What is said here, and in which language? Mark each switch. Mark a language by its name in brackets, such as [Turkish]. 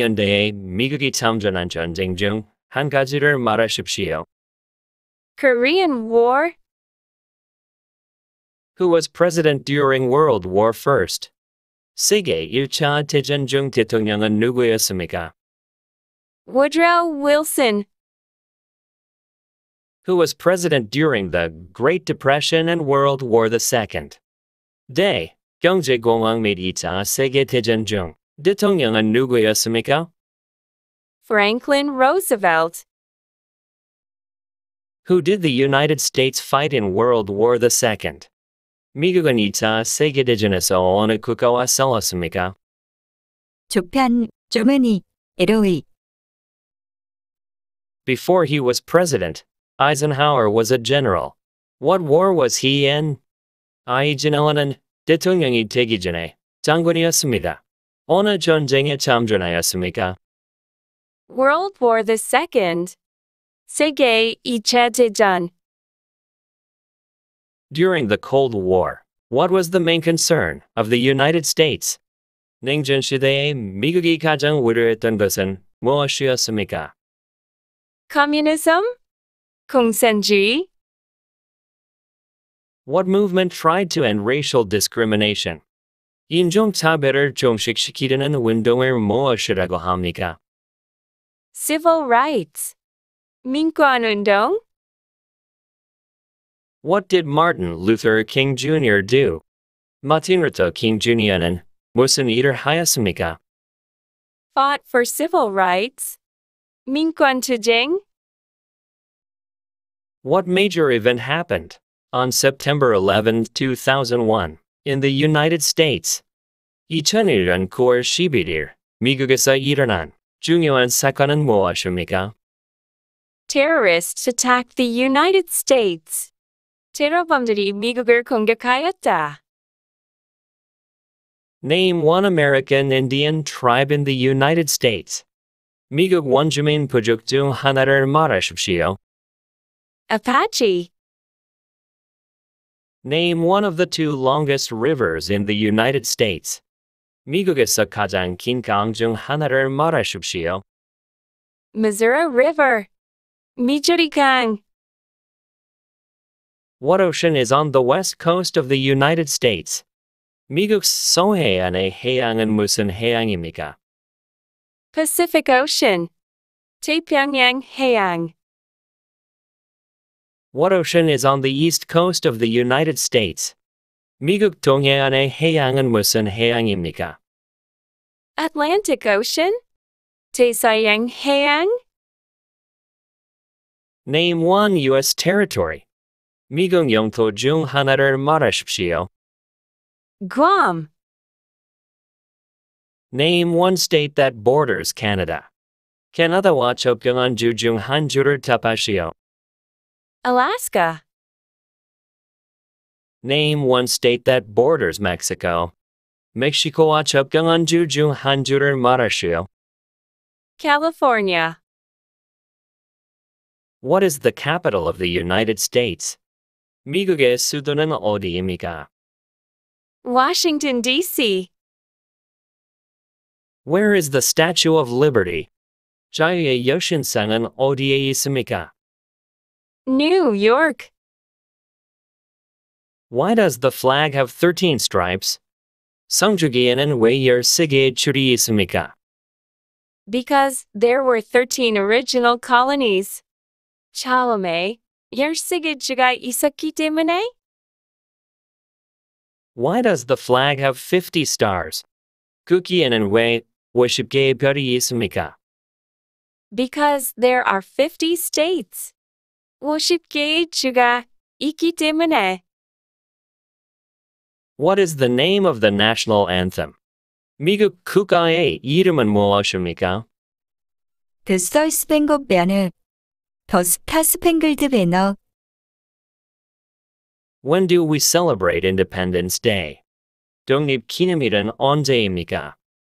[Korean] 1900년대에 미국이 참전한 전쟁 중 한 가지를 말하십시오. [English] Korean War. Who was president during World War I? [Korean] 세계 1차 대전 중 대통령은 누구였습니까? [English] Woodrow Wilson. Who was president during the Great Depression and World War II? [Korean] 네, 경제공황 및 2차 세계 대전 중 대통령은 누구였습니까? [English] Franklin Roosevelt. Who did the United States fight in World War II? [Korean] 미국은 2차 세계 대전에서 어느 국가와 싸웠습니까? 조편, 조문이, 에로이. [English] Before he was president, Eisenhower was a general. What war was he in? [Korean] 아이젠하워는 대통령이 되기 전에 장군이었습니다. 어느 전쟁에 참전하였습니까? [English] World War II. [Korean] 세계 2차 대전. [English] During the Cold War, what was the main concern of the United States? [Korean] 냉전 시대에 미국이 가장 우려했던 것은 무엇이었습니까? [English] Communism? [Korean] 공산주의? [English] What movement tried to end racial discrimination? [Korean] 인종차별을 종식시키려는 운동을 무엇이라고 합니까? [English] Civil rights. [Korean] 민권운동? [English] What did Martin Luther King Jr. do? [Korean] 마틴 루터 킹 주니어는 무슨 일을 하였습니까? [English] Fought for civil rights. [Korean] 민권투쟁? [English] What major event happened on September 11, 2001 in the United States? [Korean] 2001년 9월 11일 미국에서 일어난 중요한 사건은 무엇입니까? [English] Terrorists attacked the United States. [Korean] 테러범들이 미국을 공격하였다. [English] Name one American Indian tribe in the United States. [Korean] 미국 원주민 부족 중 하나를 말하십시오. [English] Apache. Name one of the two longest rivers in the United States. [Korean] 미국에서 가장 긴 강 중 하나를 말하십시오. [English] Missouri River. [Korean] 미주리 강. [English] What ocean is on the west coast of the United States? [Korean] 미국 서해안의 해양은 무슨 해양입니까? [English] Pacific Ocean. [Korean] 태평양 해양. [English] What ocean is on the east coast of the United States? [Korean] 미국 동해안의 해양은 무슨 해양입니까? [English] Atlantic Ocean? [Korean] 대서양 해양? [English] Name one U.S. territory. [Korean] 미국 영토 중 하나를 말하십시오. [English] Guam. Name one state that borders Canada. [Korean] 캐나다와 접경한 주 중 한 주를 답하시오. [English] Alaska. Name one state that borders Mexico. [Korean] 멕시코와 접경한 주 중 한 주를 말하시오. [English] California. What is the capital of the United States? [Korean] 미국의 수도는 어디입니까? [English] Washington, D.C. Where is the Statue of Liberty? [Korean] 자유의 여신상은 어디에 있습니까? [English] New York. Why does the flag have 13 stripes? [Korean] 성주기에는 왜 13개의 줄이 있습니까? [English] Because there were 13 original colonies. [Korean] 처음에 13개 주가 있었기 때문에? [English] Why does the flag have 50 stars? [Korean] 국기에는 왜 50개의 별이 있습니까? [English] Because there are 50 states. [Korean] 50개의 주가 있기 때문에. [English] What is the name of the national anthem? [Korean] 미국 국가의 이름은 무엇입니까? [English] The Star-Spangled Banner. The Star-Spangled Banner. When do we celebrate Independence Day? [Korean] 독립기념일은 언제입니까?